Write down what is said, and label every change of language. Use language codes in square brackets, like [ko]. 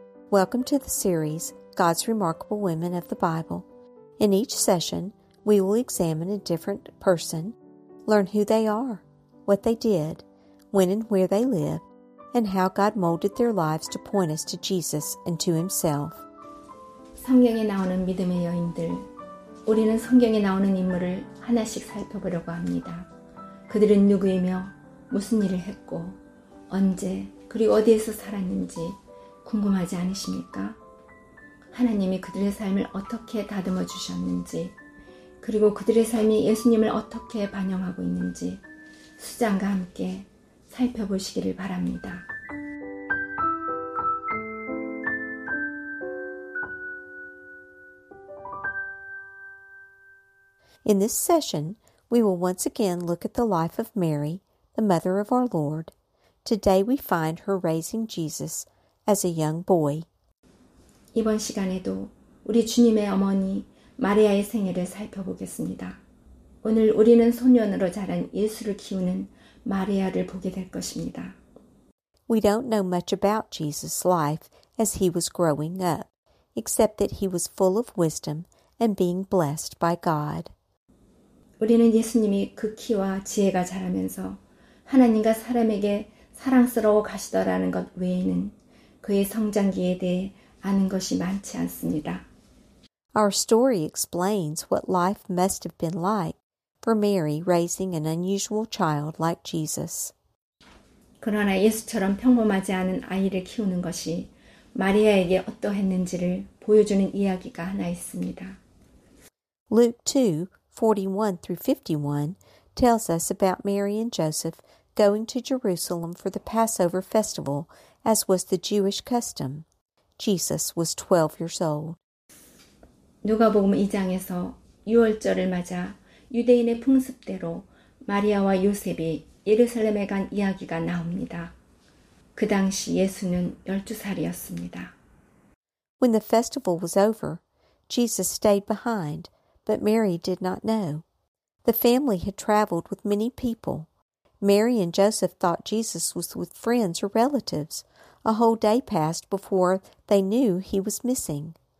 [en] Welcome to the series, God's Remarkable Women of the Bible. In each session, we will examine a different person, learn who they are, what they did, when and where they live, and how God molded their lives to point us to Jesus and to Himself. [ko] 성경에 나오는 믿음의 여인들, 우리는 성경에 나오는 인물을 하나씩 살펴보려고 합니다. 그들은 누구이며 무슨 일을 했고 언제 그리고 어디에서 살았는지 궁금하지 않으십니까? 하나님이 그들의 삶을 어떻게 다듬어 주셨는지 그리고 그들의 삶이 예수님을 어떻게 반영하고 있는지 수잔과 함께 살펴보시기를 바랍니다. [en] In this session, we will once again look at the life of Mary, the mother of our Lord. Today we find her raising Jesus as a young boy. [ko] 이번 시간에도 우리 주님의 어머니 마리아의 생애를 살펴보겠습니다. 오늘 우리는 소년으로 자란 예수를 키우는 마리아를 보게 될 것입니다. [en] We don't know much about Jesus' life as he was growing up, except that he was full of wisdom and being blessed by God. [ko] 우리는 예수님이 그 키와 지혜가 자라면서 하나님과 사람에게 사랑스러워 가시더라는 것 외에는 그의 성장기에 대해 아는 것이 많지 않습니다. [en] Our story explains what life must have been like for Mary raising an unusual child like Jesus. [ko] 그러나 예수처럼 평범하지 않은 아이를 키우는 것이 마리아에게 어떠했는지를 보여주는 이야기가 하나 있습니다. [en] Luke 2:41-51 tells us about Mary and Joseph going to Jerusalem for the Passover festival, as was the Jewish custom. Jesus was 12 years old. [ko] 누가복음 2장에서 유월절을 맞아 유대인의 풍습대로 마리아와 요셉이 예루살렘에 간 이야기가 나옵니다. 그 당시 예수는 12살이었습니다. [en] When the festival was over, Jesus stayed behind. But Mary did not know. The family had traveled with many people. Mary and Joseph thought Jesus was with friends or relatives. A whole day passed before they knew he was missing.